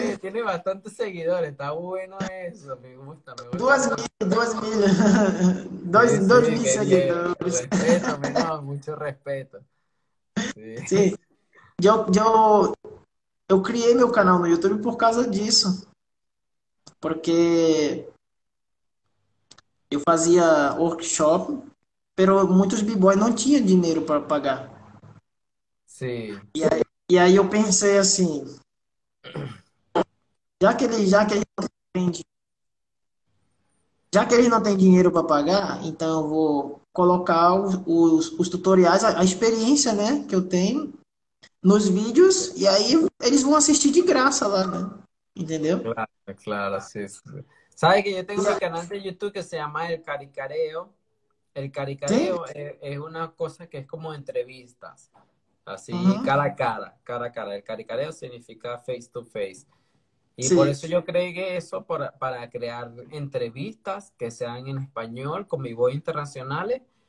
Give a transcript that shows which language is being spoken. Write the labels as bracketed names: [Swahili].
[Spanish] tiene bastantes seguidores, está bueno eso, me gusta bastante. 2000 Sí, dos mil qué bien, seguidores. respeto, menor, mucho respeto. Sí. Sí, yo creé mi canal no YouTube por causa de eso. [Portuguese] Porque eu fazia workshop, pero muitos b-boys não tinham dinheiro para pagar. [Spanish] Sí. [Portuguese] E aí eu pensei assim, já que ele não tem dinheiro para pagar, então eu vou colocar os tutoriais, a experiência, né, que eu tenho nos vídeos, e aí eles vão assistir de graça lá, né? Entendeu? [Spanish] Claro, sí. ¿Sabes que yo tengo mi canal de YouTube que se llama El Caricareo? El Sí. Caricareo es una cosa que es como entrevistas. Así cara a cara, cara a cara. El caricareo significa [English] face to face. [Spanish] Y por Sí. eso yo creé eso para crear entrevistas que sean en español con mi voz internacionales,